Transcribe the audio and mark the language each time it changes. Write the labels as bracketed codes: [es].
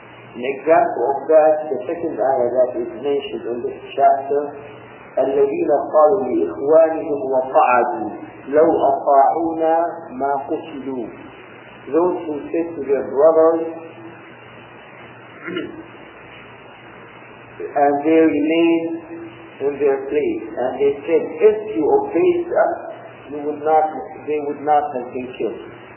[en] An example of that, the second ayah that is mentioned in this chapter, [ar] الذين قالوا لإخوانهم وقعدوا لو أطاعونا ما قتلوا. [en] Those who said to their brothers and they remained in their place, and they said, if you obeyed us, you would not, they would not have been killed.